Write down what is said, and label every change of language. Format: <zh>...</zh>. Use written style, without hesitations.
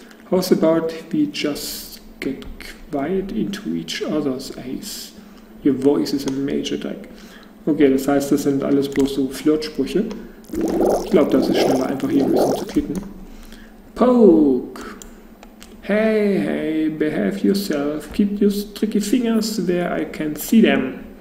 <en>How's about we just get quiet into each other's eyes? Your voice is a major drag.</en> <de>Okay, das heißt, das sind alles bloß so Flirtsprüche. Ich glaube, das ist schneller, einfach hier ein bisschen zu klicken.</de> <en>Poke! Hey, hey, behave yourself. Keep your tricky fingers where I can see them.</en>